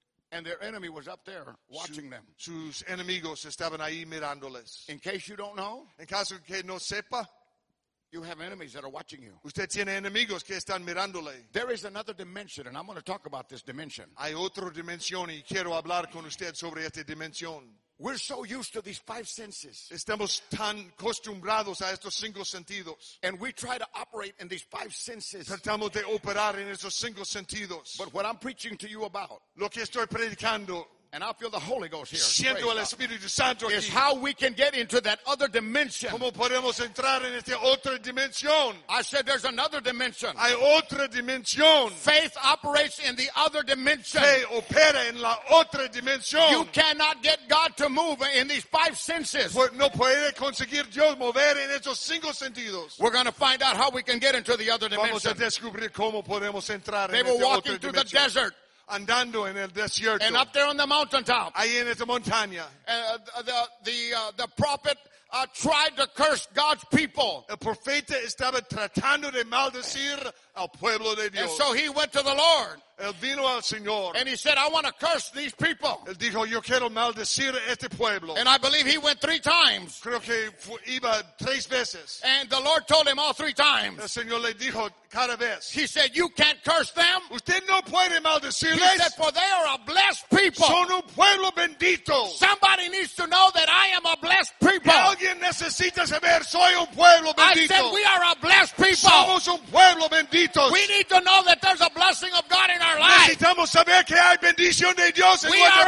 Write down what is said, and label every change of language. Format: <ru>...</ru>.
<en>And their enemy was up there watching them.</en> <es>Sus enemigos estaban ahí mirándoles.</es> <en>In case you don't know,</en> <es>en caso que no sepa,</es> <en>you have enemies that are watching you.</en> <es>Usted tiene enemigos que están mirándole.</es> <en>There is another dimension, and I'm going to talk about this dimension.</en> <es>Hay otra dimensión y quiero hablar con usted sobre esta dimensión.</es> <en>We're so used to these five senses.</en> <es>Estamos tan acostumbrados a estos cinco sentidos.</es> <en>And we try to operate in these five senses.</en> <es>Tratamos de operar en esos cinco sentidos.</es> <en>But what I'm preaching to you about.</en> <es>Lo que estoy predicando.</es> <en>And I feel the Holy Ghost here.</en> <es>Siento el Espíritu Santo aquí.</es> <en>Is how we can get into that other dimension.</en> <es>¿Cómo podemos entrar en esta otra dimensión?</es> <en>I said there's another dimension.</en> <es>Hay otra dimensión.</es> <en>Faith operates in the other dimension.</en> <es>Fe opera en la otra dimensión.</es> <en>You cannot get God to move in these five senses.</en> <es>No puede conseguir Dios mover en esos cinco sentidos.</es> <en>We're going to find out how we can get into the other dimension.</en> <es>Vamos a descubrir cómo podemos entrar en esta otra dimensión.</es> <en>They were walking through the desert.</en> <es>Andando en el desierto.</es> <en>And up there on the mountaintop.</en> <es>Ahí en esa montaña.</es> <en>The prophet tried to curse God's people.</en> <es>El profeta estaba tratando de maldecir al pueblo de Dios.</es> <en>And so he went to the Lord.</en> <es>Él vino al Señor.</es> <en>And he said, I want to curse these people.</en> <es>Él dijo, yo quiero maldecir este pueblo.</es> <en>And I believe he went three times.</en> <es>Creo que iba tres veces.</es> <en>And the Lord told him all three times.</en> <es>El Señor le dijo cada vez.</es> <en>He said, you can't curse them.</en> <es>Usted no puede maldecirles.</es> <en>He said, for they are a blessed people.</en> <es>Son un pueblo bendito.</es> <en>Somebody needs to know that I am a blessed people.</en> <es>Y alguien necesita saber, soy un pueblo bendito.</es> <en>I said, we are a blessed people.</en> <es>Somos un pueblo bendito.</es> <en>We need to know that there's a blessing of God in our life.</en> <es>Necesitamos saber que hay bendición de Dios en nuestra vida.</es>